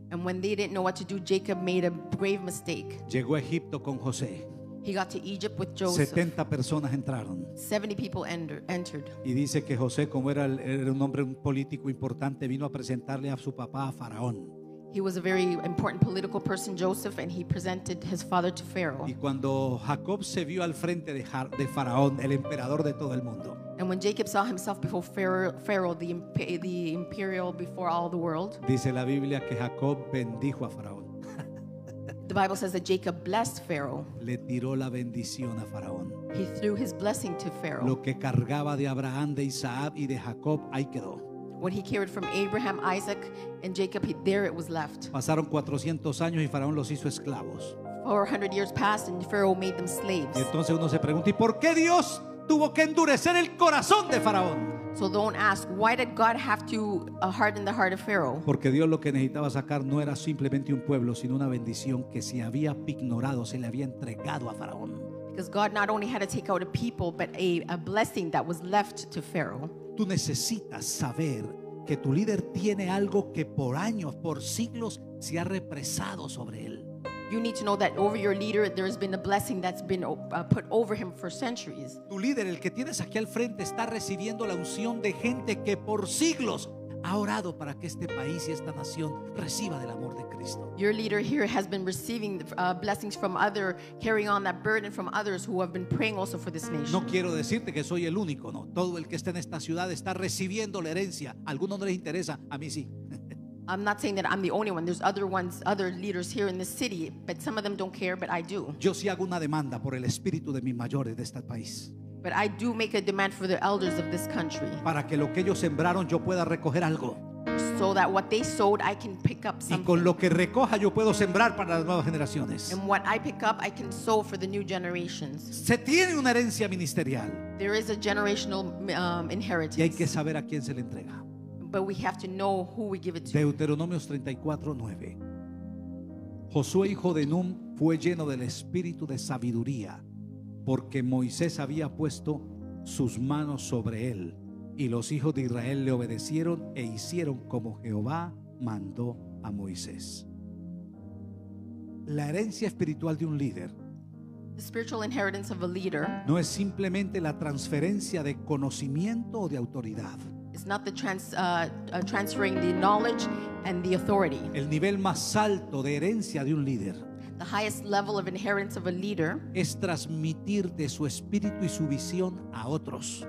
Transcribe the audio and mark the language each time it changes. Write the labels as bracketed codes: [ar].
[en] And when they didn't know what to do, Jacob made a grave mistake. [es] Llegó a Egipto con José. [en] He got to Egypt with Joseph. [es] 70 personas entraron. [en] 70 people entered. [es] Y dice que José, como era un hombre, un político importante, vino a presentarle a su papá, a Faraón. [en] He was a very important political person, Joseph, and he presented his father to Pharaoh. [es] Y cuando Jacob se vio al frente de Faraón, el emperador de todo el mundo. [en] And when Jacob saw himself before Pharaoh, the imperial before all the world. [es] Dice la Biblia que Jacob bendijo a Faraón. [en] The Bible says that Jacob blessed Pharaoh. [es] Le tiró la bendición a Faraón. [en] He threw his blessing to Pharaoh. [es] Lo que cargaba de Abraham, de Isaac y de Jacob, ahí quedó. [en] What he carried from Abraham, Isaac, and Jacob, there it was left. [es] Pasaron 400 años y Faraón los hizo esclavos. [en] 400 years passed and Pharaoh made them slaves. [es] Y entonces uno se pregunta, ¿y por qué Dios tuvo que endurecer el corazón de Faraón? [en] So don't ask, why did God have to harden the heart of Pharaoh? [es] Porque Dios lo que necesitaba sacar no era simplemente un pueblo, sino una bendición que se había ignorado, se le había entregado a Faraón. [en] Because God not only had to take out a people, but a blessing that was left to Pharaoh. [es] Tú necesitas saber que tu líder tiene algo que por años, por siglos, se ha represado sobre él. [en] You need to know that over your leader there has been a blessing that's been put over him for centuries. [es] Tu líder, el que tienes aquí al frente, está recibiendo la unción de gente que por siglos ha orado para que este país y esta nación reciba del amor de Cristo. [en] Your leader here has been receiving blessings from other, carrying on that burden from others who have been praying also for this nation. [es] No quiero decirte que soy el único, no. Todo el que está en esta ciudad está recibiendo la herencia. A alguno no les interesa, a mí sí. [en] I'm not saying that I'm the only one. There's other ones, other leaders here in this city, but some of them don't care, but I do. [es] Yo sí hago una demanda por el espíritu de mis mayores de este país. [en] But I do make a demand for the elders of this country. [es] Para que lo que ellos sembraron yo pueda recoger algo. [en] So that what they sowed I can pick up something. [es] Y con lo que recoja yo puedo sembrar para las nuevas generaciones. [en] And what I pick up I can sow for the new generations. [es] Se tiene una herencia ministerial. [en] There is a generational inheritance. [es] Y hay que saber a quién se le entrega. [en] But we have to know who we give it to. [es] Deuteronomios 34:9. Josué hijo de Nun fue lleno del espíritu de sabiduría porque Moisés había puesto sus manos sobre él, y los hijos de Israel le obedecieron e hicieron como Jehová mandó a Moisés. La herencia espiritual de un líder, [en] the spiritual inheritance of a leader, [es] no es simplemente la transferencia de conocimiento o de autoridad. [en] It's not the transferring the knowledge and the authority. [es] El nivel más alto de herencia de un líder, [en] the highest level of inheritance of a leader, [es] es transmitir de su espíritu y su visión a otros.